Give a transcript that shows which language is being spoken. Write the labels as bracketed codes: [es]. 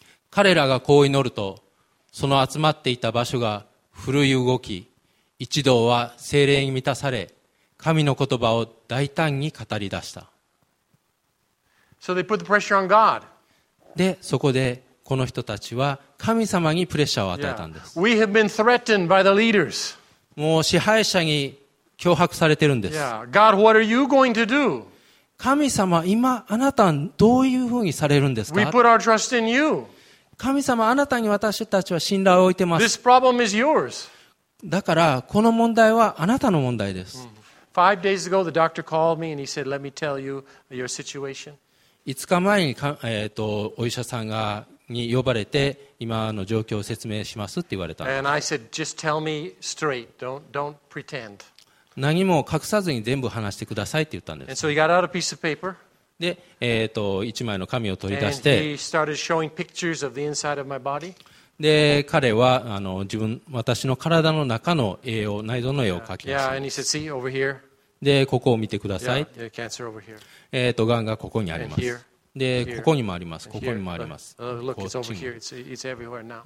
[ja] 彼らがこう祈ると、その集まっていた場所が奮い動き、一同は聖霊に満たされ、神の言葉を大胆に語り出した。 [en] So they put the pressure on God. [ja] で、そこでこの人たちは神様にプレッシャーを与えたんです。 [en] Yeah. We have been threatened by the leaders. [ja] もう支配者に脅迫されてるんです。 [en] Yeah. God, what are you going to do? [ja] 神様、今あなたはどういうふうにされるんですか？ [en] We put our trust in you. [ja] 神様、あなたに私たちは信頼を置いてます。 [en] This problem is yours. [ja] だから、この問題はあなたの問題です。 [en] 5 days ago, the doctor called me and he said, let me tell you your situation. [ja] 5日前に、お医者さんがに呼ばれて、今の状況を説明しますって言われた。 [en] And I said, just tell me straight. Don't pretend. [ja] 何も隠さずに全部話してくださいって言ったんです。 [en] And so he got out a piece of paper. [ja] で、一枚の紙を取り出して、 [en] And he started showing pictures of the inside of my body. [ja] で、彼は、自分、私の体の中の絵を、内臓の絵を描きました。 [en] Yeah, and he said, see, over here. [ja] で、ここを見てください。 [en] Yeah, cancer over here. [ja] がんがここにあります。 [en] And here. [ja] でここにもあります。ここにもあります。こっちに。